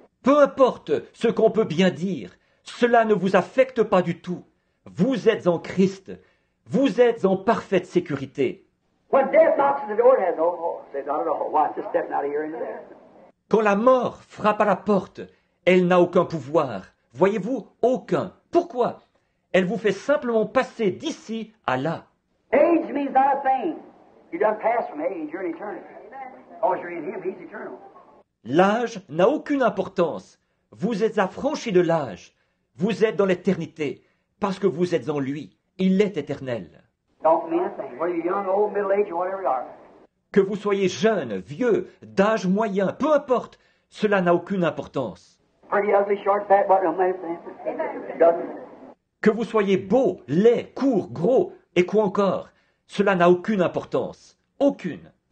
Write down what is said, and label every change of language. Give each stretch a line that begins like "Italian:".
French: Peu importe ce qu'on peut bien dire, cela ne vous affecte pas du tout. Vous êtes en Christ. Vous êtes en parfaite sécurité.
English: When death knocks at the door, it has no hope. Not at all. Why? Just stepping out of here into there.
French: Quand la mort frappe à la porte, elle n'a aucun pouvoir. Voyez-vous, aucun. Pourquoi? Elle vous fait simplement passer d'ici à là.
English: Age means not a thing. You've done passed from age. You're in eternity. Oh, you're in Him. He's eternal.
French: L'âge n'a aucune importance. Vous êtes affranchi de l'âge. Vous êtes dans l'éternité parce que vous êtes en Lui. Il est éternel.
English: Don't mean a thing. Whether you're young, old, middle age, or whatever you are.
French: Que vous soyez jeune, vieux, d'âge moyen, peu importe, cela n'a aucune importance.
English: Pretty ugly, short, fat, but don't mean a thing. Doesn't it?
French: Que vous soyez beau, laid, court, gros, et quoi encore. Cela n'a aucune importance. Aucune.